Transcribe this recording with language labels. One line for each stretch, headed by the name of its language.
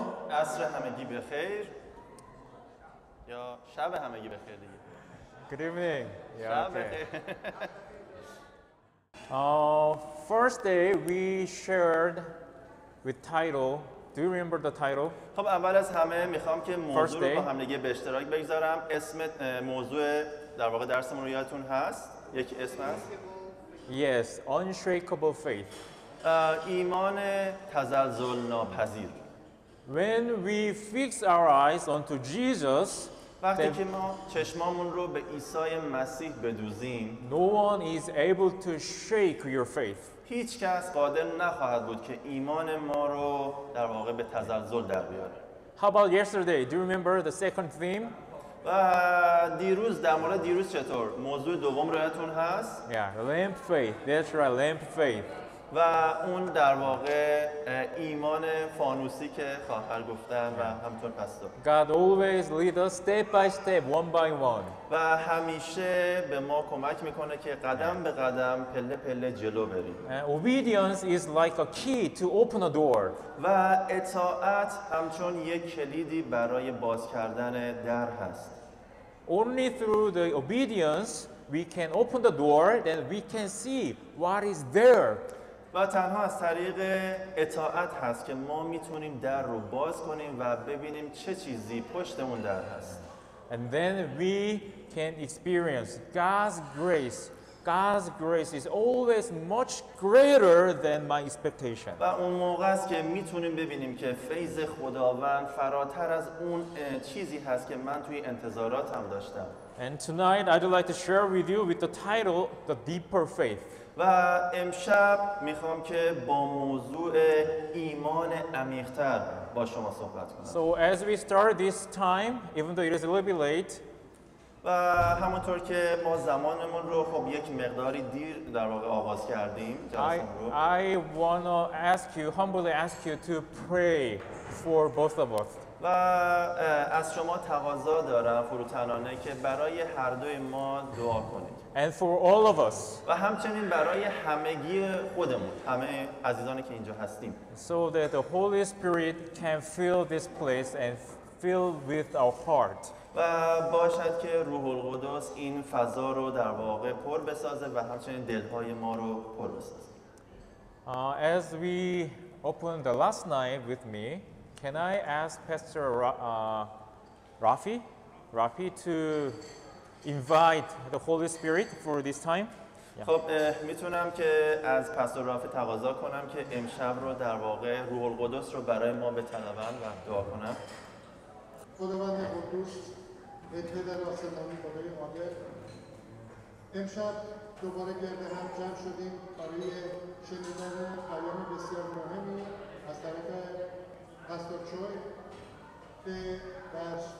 Persian: عصر همگی بخیر یا شب همگی بخیر دیگه.
English: Good evening. Yeah, شب okay. First day we shared with title. Do you remember the title?
Persian: خب اول از همه میخوام که موضوع رو با هم دیگه به اشتراک بگذارم. اسم موضوع در واقع درسمون رو یادتون هست؟ یک اسم است.
English: Yes, unshakable faith.
Persian: ایمان تزلزل ناپذیر.
English: When we fix our eyes onto Jesus,
Persian: وقتی که ما چشمامون رو به عیسی مسیح بدوزیم,
English: no one is able to shake your faith.
Persian: هیچ کس قادر نخواهد بود که ایمان ما رو در واقع به تزلزل در بیاره.
English: How about yesterday? Do you remember the second theme?
Persian: و دیروز در مورد دیروز چطور؟ موضوع دوم رو یادتون هست؟
English: Yeah, lamp faith. That's right, lamp faith.
Persian: و اون در واقع ایمان فانوسی که خواهر گفتن و همچون پستور.
English: God always lead us step by step, one by one.
Persian: و همیشه به ما کمک میکنه که قدم به قدم پله پله جلو بریم.
English: Obedience is like a key to open a door.
Persian: و اطاعت همچون یک کلیدی برای باز کردن در هست.
English: Only through the obedience we can open the door, then we can see what is there.
Persian: و تنها از طریق اطاعت هست که ما میتونیم در رو باز کنیم و ببینیم چه چیزی پشت اون در هست.
English: And then we can experience God's grace. God's grace is always much greater than my expectation.
Persian: و اون موقع است که میتونیم ببینیم که فیض خداوند فراتر از اون چیزی هست که من توی انتظاراتم داشتم.
English: And tonight I'd like to share with you with the title The Deeper Faith.
Persian: و امشب میخوام که با موضوع ایمان عمیق‌تر با شما صحبت کنم.
English: So as we start this time, even though it is a little bit late,
Persian: و همونطور که ما زمانمون رو خب یک مقداری دیر در واقع آغاز کردیم جلسه رو,
English: I wanna ask you, humbly ask you to pray for both of us.
Persian: و از شما تقاضا دارم فروتنانه که برای هر دوی ما دعا کنید.
English: And for all of us.
Persian: و همچنین برای همگی خودمون, همه عزیزانی که اینجا هستیم.
English: So that the Holy Spirit can fill this place and fill with our heart.
Persian: و باشد که روح القدس این فضا رو در واقع پر بسازه و همچنین دلهای ما رو پر بسازه.
English: As we opened the last night with me, can I ask Pastor Rafi to invite the Holy Spirit for this time? Yeah.
Persian: خب میتونم که از پاستور رافی تقاضا کنم که امشب رو در واقع روح القدس رو برای ما به طلبن و دعا کنم. خداوند قدوس به پدر آسمانی بابای قادر, امشب دوباره گرده هم جمع شدیم برای شنیدن پیام بسیار مهمی از طرف پاستور چوی که در